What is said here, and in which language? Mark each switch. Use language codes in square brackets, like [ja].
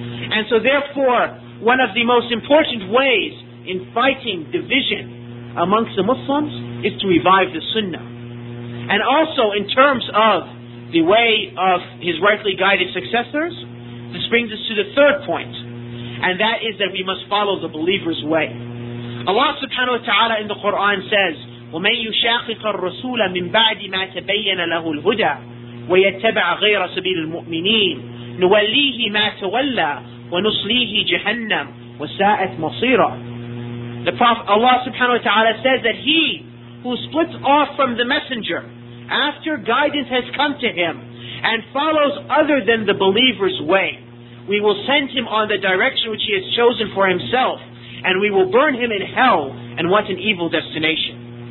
[en] And so therefore, one of the most important ways in fighting division amongst the Muslims is to revive the Sunnah. And also in terms of the way of his rightly guided successors, this brings us to the third point. And that is that we must follow the believer's way. Allah subhanahu wa ta'ala in the Quran says, [ar] وَمَنْ يُشَاقِقَ الرَّسُولَ مِنْ بَعْدِ مَا تَبَيَّنَ لَهُ الْهُدَى وَيَتَّبَعَ غَيْرَ سَبِيلِ الْمُؤْمِنِينَ نُوَلِّيهِ مَا تَوَلَّى وَنُصْلِيهِ جَهَنَّمْ وَسَاءَتْ مَصِيرًا. [en] The Prophet Allah subhanahu wa ta'ala says that he who splits off from the messenger after guidance has come to him and follows other than the believer's way, we will send him on the direction which he has chosen for himself, and we will burn him in hell, and what an evil destination.